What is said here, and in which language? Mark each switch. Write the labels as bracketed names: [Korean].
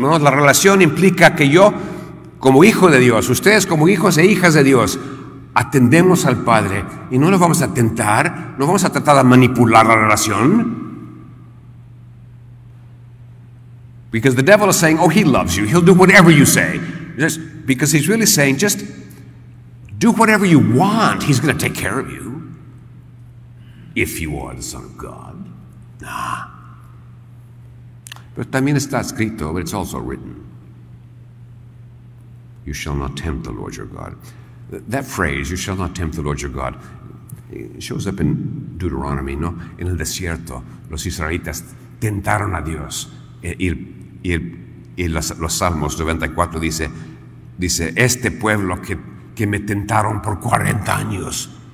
[Spanish] No, la relación implica que yo, como hijo de Dios, ustedes como hijos e hijas de Dios, atendemos al Padre y no nos vamos a tentar, no vamos a tratar de manipular la relación. [English] Because the devil is saying, oh, he loves you. He'll do whatever you say. Just, because he's really saying, just do whatever you want. He's going to take care of you. If you are the Son of God. Nah. [Spanish] Pero también está escrito, [English] but it's also written. You shall not tempt the Lord your God. That phrase, you shall not tempt the Lord your God, shows up in Deuteronomy, no? [Spanish] En el desierto, los israelitas tentaron a Dios. Y los Salmos 94 dice este pueblo que me tentaron por 40 años.